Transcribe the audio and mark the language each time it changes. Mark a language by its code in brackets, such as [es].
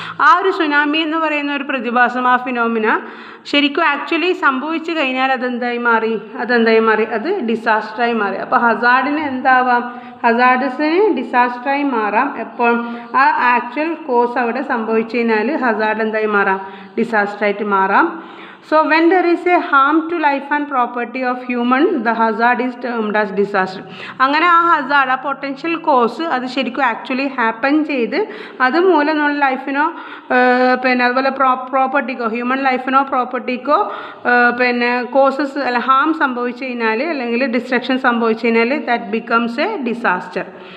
[ml] ആ ഒരു സുനാമി എന്ന് പറയുന്ന ഒരു പ്രതിഭാസം, ആ ഫിനോമിന ശരിക്കും ആക്ച്വലി സംഭവിച്ചു കഴിഞ്ഞാൽ അതെന്തായി മാറി? അത് ഡിസാസ്റ്ററായി മാറി. അപ്പോൾ ഹസാർഡിന് എന്താവാം? ഹസാർഡ്സിന് ഡിസാസ്റ്ററായി മാറാം എപ്പോൾ ആ ആക്ച്വൽ കോസ് അവിടെ സംഭവിച്ചു കഴിഞ്ഞാൽ ഹസാർഡ് എന്തായി മാറാം? ഡിസാസ്റ്ററായിട്ട് മാറാം. [en] So when there is a harm to life and property of human, the hazard is termed as disaster. [ml] അങ്ങനെ ആ ഹസാർഡ്, ആ പൊട്ടൻഷ്യൽ കോസ് അത് ശരിക്കും ആക്ച്വലി ഹാപ്പൻ ചെയ്ത് അതുമൂലം നമ്മൾ ലൈഫിനോ അതുപോലെ പ്രോപ്പർട്ടിക്കോ, ഹ്യൂമൻ ലൈഫിനോ പ്രോപ്പർട്ടിക്കോ കോസസ് അല്ല ഹാം സംഭവിച്ചു കഴിഞ്ഞാൽ, അല്ലെങ്കിൽ ഡിസ്ട്രക്ഷൻ സംഭവിച്ചു കഴിഞ്ഞാൽ [en] That becomes a disaster.